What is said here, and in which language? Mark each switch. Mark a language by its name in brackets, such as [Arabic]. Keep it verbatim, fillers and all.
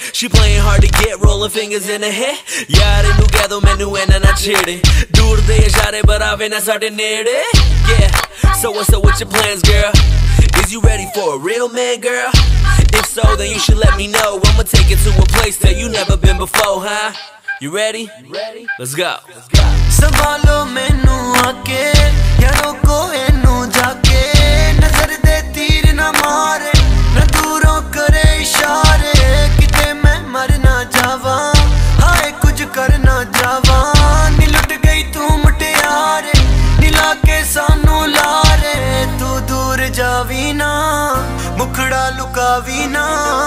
[English] She playing hard to get, rolling fingers in her hair. [Punjabi] ਯਾਰ ਇਹਨੂੰ ਕਹਿ ਦੋ ਮੈਨੂੰ ਇਹਨਾਂ ਨਾ ਛੇੜੇ, ਦੂਰ ਦੇ ਇਸ਼ਾਰੇ ਪਰ ਆਵੇ ਨਾ ਸਾਡੇ ਨੇੜੇ। [English] Yeah, so what's up with your plans, girl? Is you ready for a real man, girl? If so, then you should let me know. I'ma take it to a place that you never been before, huh? You ready? Let's go. [Punjabi] ਸੰਭਾਲੋ ਮੈਨੂੰ ਆ ਕੇ ਯਾਰੋ ਕੋ ਇਹਨੂੰ ਜਾ ਕੇ, ਨਜ਼ਰ ਦੇ ਤੀਰ ਨਾ ਮਾਰੇ ਨਾ ਦੂਰੋਂ ਕਰੇ ਇਸ਼ਾਰੇ, ਕਿਤੇ ਮੈਂ ਮਰ ਨਾ ਜਾਵਾਂ ਹਾਏ ਕੁਝ ਕਰ ਨਾ ਜਾਵਾਂ, ਨੀ ਲੁੱਟ ਗਈ ਤੂੰ ਮੁਟਿਆਰੇ ਨੀ ਲਾ ਕੇ ਸਾਨੂੰ ਲਾਰੇ, ਤੂੰ ਦੂਰ ਜਾਵੀ ਨਾ ਮੁਖੜਾ ਲੁਕਾਵੀ ਨਾ।